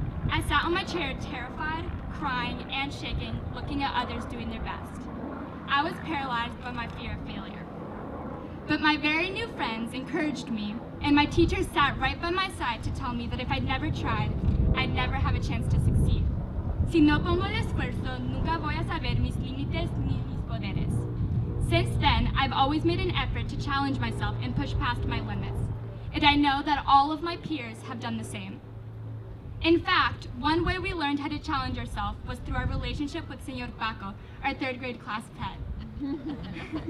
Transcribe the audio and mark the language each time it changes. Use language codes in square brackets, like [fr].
[en] I sat on my chair terrified, crying, and shaking, looking at others doing their best. I was paralyzed by my fear of failure. But my very new friends encouraged me, and my teacher sat right by my side to tell me that if I'd never tried, I'd never have a chance to succeed. [es] Si no pongo el esfuerzo, nunca voy a saber mis límites ni mis poderes. [en] Since then, I've always made an effort to challenge myself and push past my limits. And I know that all of my peers have done the same. In fact, one way we learned how to challenge ourselves was through our relationship with Señor Paco, our third grade class pet.